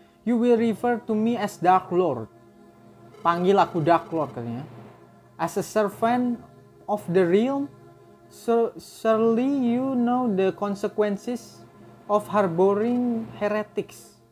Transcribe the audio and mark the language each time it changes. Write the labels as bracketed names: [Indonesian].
[English] You will refer to me as Dark Lord. [Indonesian] Panggil aku Dark Lord katanya. [English] As a servant of the realm, surely you know the consequences of harboring heretics.